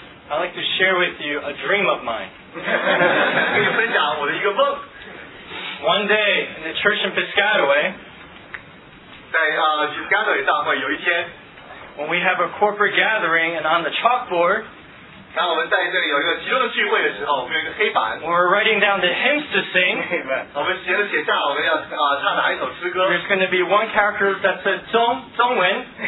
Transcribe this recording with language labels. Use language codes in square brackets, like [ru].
[en] I'd like to share with you a dream of mine. [zh] 跟你分享我的一个梦。 [en] One day in the church in Piscataway, [zh] 在Piscataway 大会有一天 [en] ，when we have a corporate gathering and on the chalkboard， [zh] 当我们在这里有一个集中聚会的时候，我们有一个黑板 [en] ，we're writing down the hymns to sing， [zh] 我们写下我们要唱哪一首诗歌。 [en] There's going to be one character that says 中文，